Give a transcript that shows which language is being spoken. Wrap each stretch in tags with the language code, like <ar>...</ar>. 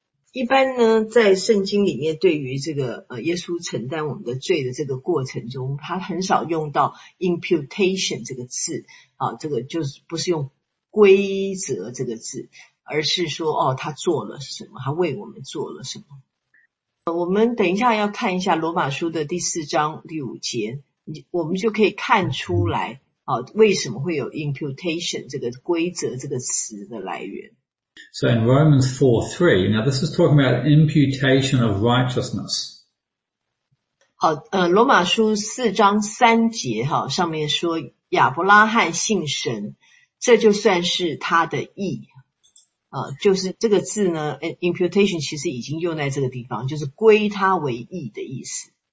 <zh>一般呢在圣经里面对于这个耶稣承担我们的罪的这个过程中，他很少用到 imputation 这个字这个就是不是用规则这个字，而是说他做了什么，他为我们做了什么。我们等一下要看一下罗马书的第四章第五节，我们就可以看出来为什么会有 imputation 这个规则这个词的来源。</zh> <en>So in Romans 4:3, now this is talking about imputation of righteousness.</en> <zh>好，罗马书四章三节上面说亚伯拉罕信神，这就算是他的义。就是这个字呢 ,imputation 其实已经用在这个地方，就是归他为义的意思。</zh>